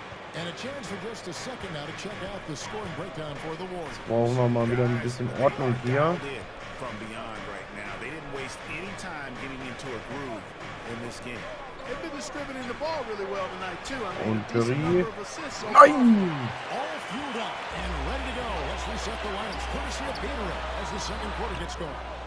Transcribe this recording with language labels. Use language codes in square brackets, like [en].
[en] And a chance for just a second now to check out the scoring breakdown for the Warriors. [de] Brauchen wir mal wieder ein bisschen Ordnung hier. [en] From beyond right now. They didn't waste any time getting into a groove in this game. They've been distributing the ball really well tonight too. [de] Und Curry. Nein! [en] All fueled up and ready to go. Let's reset the lines. Courtesy of Peter as the second quarter gets going.